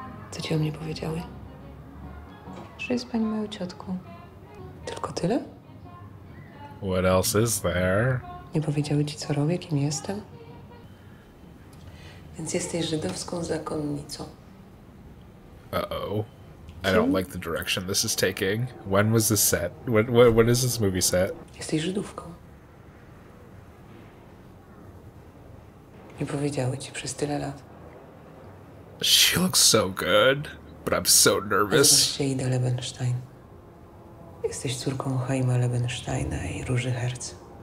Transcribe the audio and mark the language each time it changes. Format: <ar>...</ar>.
<pl>Co ci o mnie powiedziały? Że jest pani moją ciotką. Tylko tyle?</pl> <en>What else is there?</en> <pl>Nie powiedziały ci, co robię, kim jestem? Więc jesteś żydowską zakonnicą.</pl> <en>Uh-oh. I don't like the direction this is taking. When was this set? When is this movie set?</en> <pl>Jesteś żydówką. Nie powiedziały ci przez tyle lat.</pl> <en>She looks so good, but I'm so nervous.</en> <pl>Nazywasz się Ida Lebenstein. Jesteś córką Chaima Lebensteina I Róży Herc.</pl>